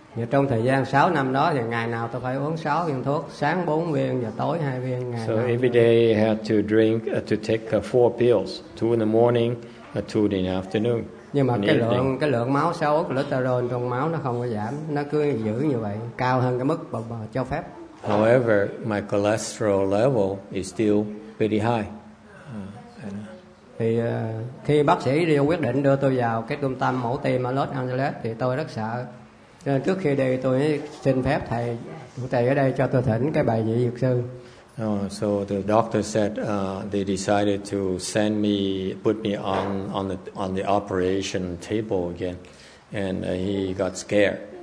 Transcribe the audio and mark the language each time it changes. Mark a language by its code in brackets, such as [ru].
[vi] Và trong thời gian 6 năm đó thì ngày nào tôi phải uống 6 viên thuốc, sáng 4 viên và tối 2 viên ngày. [en] So every day I had to drink to take 4 pills, 2 in the morning, 2 in the afternoon. [vi] Nhưng mà cái lượng máu xấu, cholesterol trong máu nó không có giảm, nó cứ giữ như vậy, cao hơn cái mức bà cho phép. [en] However, my cholesterol level is still pretty high. [vi] Thì khi bác sĩ đi quyết định đưa tôi vào cái trung tâm mổ tim ở Los Angeles thì tôi rất sợ. Cho nên trước khi đi tôi xin phép thầy chủ tài ở đây cho tôi thỉnh cái bài vị dược sư. [en] So the doctor said they decided to send me, put me on the operation table again, and he got scared.